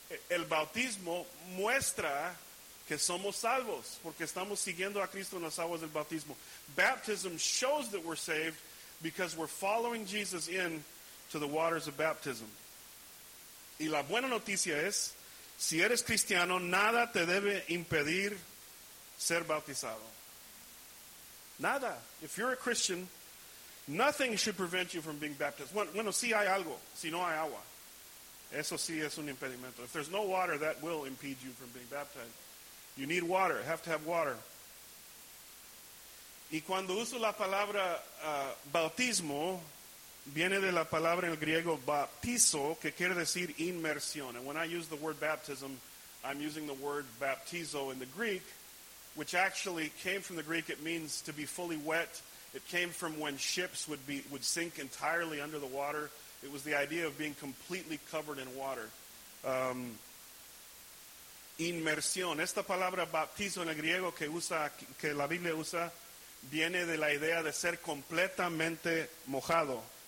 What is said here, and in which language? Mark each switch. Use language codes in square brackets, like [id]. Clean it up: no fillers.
[es] El bautismo muestra que somos salvos porque estamos siguiendo a Cristo en las aguas del bautismo. [en] Baptism shows that we're saved because we're following Jesus in to the waters of baptism. [es] Y la buena noticia es, si eres cristiano, nada te debe impedir ser bautizado. Nada. [en] If you're a Christian, nothing should prevent you from being baptized. [es] Bueno, si hay algo, si no hay agua. Eso sí es un impedimento. [en] If there's no water, that will impede you from being baptized. You need water. You have to have water. [es] Y cuando uso la palabra bautismo, viene de la palabra en el griego baptizo, que quiere decir inmersión. [en] And when I use the word baptism, I'm using the word baptizo in the Greek, which actually came from the Greek. It means to be fully wet. It came from when ships would sink entirely under the water. It was the idea of being completely covered in water. [es] Inmersión. Esta palabra baptizo en el griego que la Biblia usa viene de la idea de ser completamente mojado.